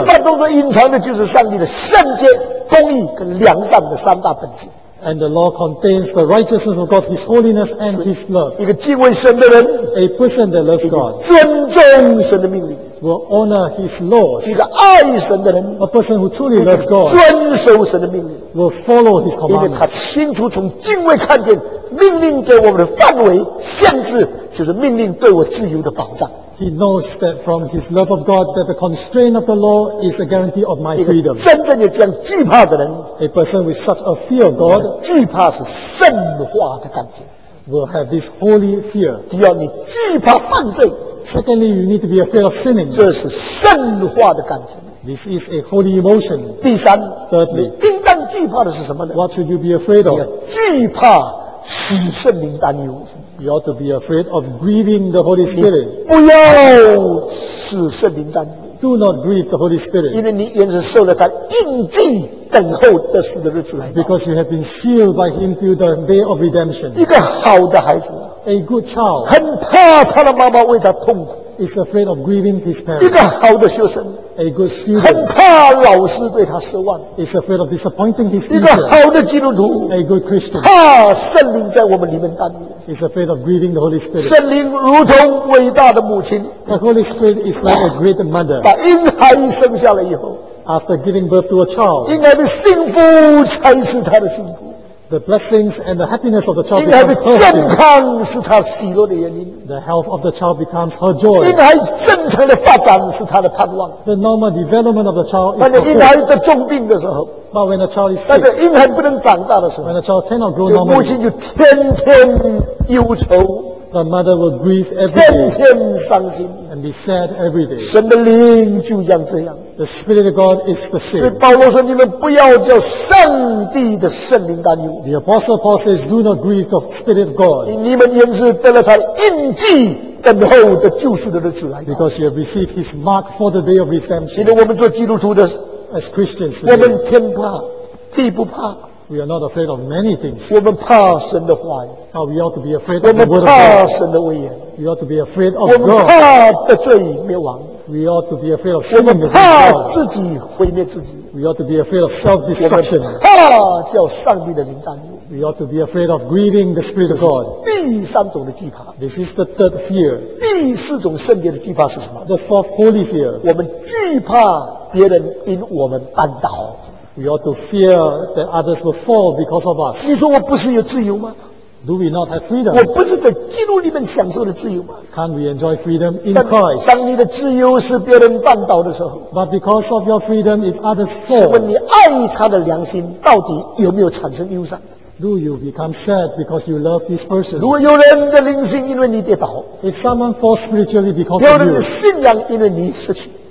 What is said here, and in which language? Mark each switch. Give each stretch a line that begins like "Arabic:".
Chinese: 律法中所隐藏的就是上帝的圣洁、公义跟良善的三大本质。
English: And the law contains the righteousness of God, His holiness, and His love.
Chinese: 一个敬畏神的人
English: ，a person that loves God,
Chinese: 尊重神的命令
English: ，will honor His laws.
Chinese: 一个爱神的人
English: ，a person who truly loves God,
Chinese: 遵守神的命令
English: ，will follow His commandments.
Chinese: 因为他清楚从敬畏看见，命令给我们的范围限制，就是命令对我自由的保障。
English: He knows that from His love of God, that the constraint of the law is a guarantee of my freedom.
Chinese: 真正有这样惧怕的人
English: ，a person with such a fear of God,
Chinese: 惧怕是圣化的感觉
English: ，will have this holy fear.
Chinese: 第二，你惧怕犯罪
English: ，secondly, you need to be afraid of sinning.
Chinese: 这是圣化的感觉。
English: This is a holy emotion.
Chinese: 第三
English: ，thirdly,
Chinese: 你应当惧怕的是什么呢
English: ？What should you be afraid of?
Chinese: 你要惧怕使圣灵担忧。
English: You ought to be afraid of grieving the Holy Spirit.
Chinese: 不要使圣灵担忧。
English: Do not grieve the Holy Spirit.
Chinese: 因为你原是受了他印记等候得赎的日子来。
English: Because you have been sealed by Him till the day of redemption.
Chinese: 一个好的孩子。
English: A good child.
Chinese: 很怕他的妈妈为他痛苦。
English: Is afraid of grieving his parents.
Chinese: 一个好的学生。
English: A good student.
Chinese: 很怕老师对他失望。
English: Is afraid of disappointing his teacher.
Chinese: 一个好的基督徒。
English: A good Christian.
Chinese: 怕圣灵在我们里面担忧。
English: Is afraid of grieving the Holy Spirit.
Chinese: 圣灵如同伟大的母亲。
English: The Holy Spirit is like a great mother.
Chinese: 把婴孩生下来以后。
English: After giving birth to a child.
Chinese: 应该是幸福才是他的幸福。
English: The blessings and the happiness of the child becomes her joy.
Chinese: 婴孩健康是他喜乐的原因。
English: The health of the child becomes her joy.
Chinese: 婴孩正常的发展是他的盼望。
English: The normal development of the child is her joy.
Chinese: 婴孩在重病的时候。
English: But when a child is sick.
Chinese: 婴孩不能长大的时候。
English: When a child cannot grow normally.
Chinese: 母亲就天天忧愁。
English: The mother will grieve every day.
Chinese: 天天伤心。
English: And be sad every day.
Chinese: 神的灵就像这样。
English: The Spirit of God is the same.
Chinese: 所以保罗说：“你们不要叫上帝的圣灵担忧。”
English: The Apostle Paul says, "Do not grieve the Spirit of God."
Chinese: 你们原是得了他印记等候的救赎的日子来。
English: Because you have received His mark for the day of redemption.
Chinese: 因为我们做基督徒的
English: ，as Christians,
Chinese: 我们天怕，地不怕。
English: We are not afraid of many things.
Chinese: 我们怕神的话语。
English: But we ought to be afraid of the word of
Chinese: God. 我们怕神的威严。
English: We ought to be afraid of God.
Chinese: 我们怕得罪灭亡。
English: We ought to be afraid of sin and death.
Chinese: 我们怕自己毁灭自己。
English: We ought to be afraid of self-destruction.
Chinese: 我们怕叫上帝的灵担忧。
English: We ought to be afraid of grieving the Spirit of God.
Chinese: 第三种的惧怕。
English: This is the third fear.
Chinese: 第四种圣洁的惧怕是什么？
English: The fourth holy fear.
Chinese: 我们惧怕别人因我们绊倒。
English: We ought to fear that others will fall because of us.
Chinese: 你说我不是有自由吗？
English: Do we not have freedom?
Chinese: 我不是在基督里面享受的自由吗？
English: Can't we enjoy freedom in Christ?
Chinese: 当你的自由是别人绊倒的时候，
English: But because of your freedom, if others fall,
Chinese: 请问你爱他的良心到底有没有产生忧伤？
English: Do you become sad because you love this person?
Chinese: 如果有人的灵性因为你跌倒，
English: If someone falls spiritually because of you,
Chinese: 有人的信仰因为你失去，